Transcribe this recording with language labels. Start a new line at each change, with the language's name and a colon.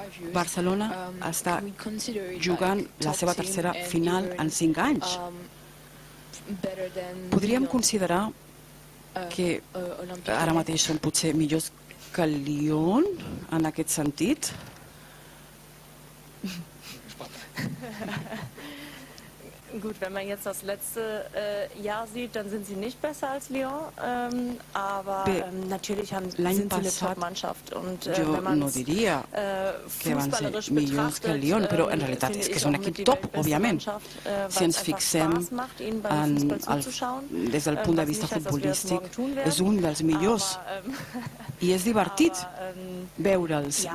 Catalan: Barcelona està jugant la seva tercera final en 5 anys. Podríem considerar que ara mateix són potser millors que Lyon en aquest sentit?
German: Gut, wenn man jetzt das letzte Jahr sieht, dann sind sie nicht besser als Lyon, aber natürlich sind sie eine Top-Mannschaft.
Catalan: Jo no diria que van ser millors que Lyon, però en realitat és que és un equip top, òbviament. Si ens fixem des del punt de vista futbolístic, és un dels millors i és divertit veure'ls.